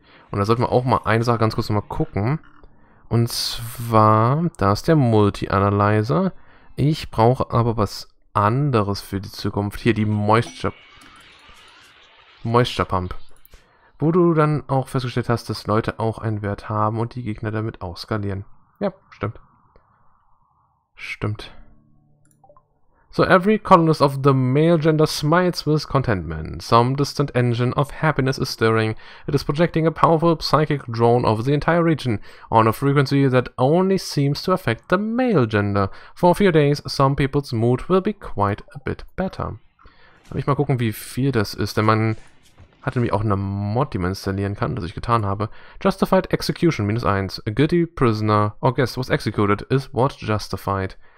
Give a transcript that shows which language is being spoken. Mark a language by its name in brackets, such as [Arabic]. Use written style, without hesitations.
[German] Und da sollten wir auch mal eine Sache ganz kurz nochmal gucken. Und zwar, da ist der Multi-Analyzer. Ich brauche aber was anderes für die Zukunft. Hier die Moisture-Pump. Wo du dann auch festgestellt hast, dass Leute auch einen Wert haben und die Gegner damit ausskalieren. Ja, stimmt. Stimmt. [English] So, every colonist of the male gender smiles with contentment. Some distant engine of happiness is stirring. It is projecting a powerful psychic drone over the entire region, on a frequency that only seems to affect the male gender. For a few days, some people's mood will be quite a bit better. [German] Lass mich mal gucken, wie viel das ist, denn man hat nämlich auch eine Mod, die man installieren kann, das ich getan habe. [English] Justified Execution, minus 1. A guilty prisoner or guest was executed is what justified.